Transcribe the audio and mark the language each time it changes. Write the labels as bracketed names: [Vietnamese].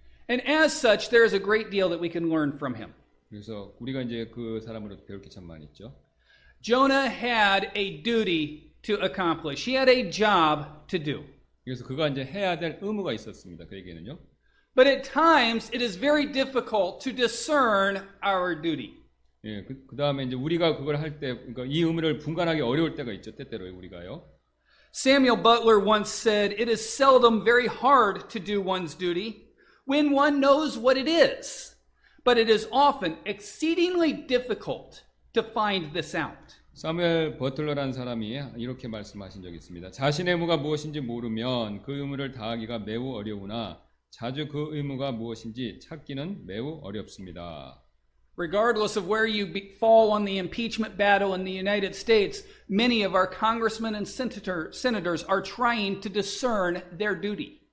[English] And as such, there is a great deal that we can learn from him. [Korean] 그래서 우리가 이제 그 사람으로 배울 게 참 많이 있죠. [English] Jonah had a duty to accomplish. He had a job to do. [Korean] 그래서 그가 이제 해야 될 의무가 있었습니다. 그에게는요. [English] But at times it is very difficult to discern our duty. [Korean] 예, 그 다음에 이제 우리가 그걸 할 때, 그러니까 이 의무를 분간하기 어려울 때가 있죠. 때때로 우리가요. [English] Samuel Butler once said, "It is seldom very hard to do one's duty when one knows what it is, but it is often exceedingly difficult to find this out." [Korean] 사무엘 버틀러라는 사람이 이렇게 말씀하신 적이 있습니다. 자신의 의무가 무엇인지 모르면 그 의무를 다하기가 매우 어려우나 자주 그 의무가 무엇인지 찾기는 매우 어렵습니다. [English] Regardless of where you fall on the impeachment battle in the United States, many of our congressmen and senators are trying to discern their duty.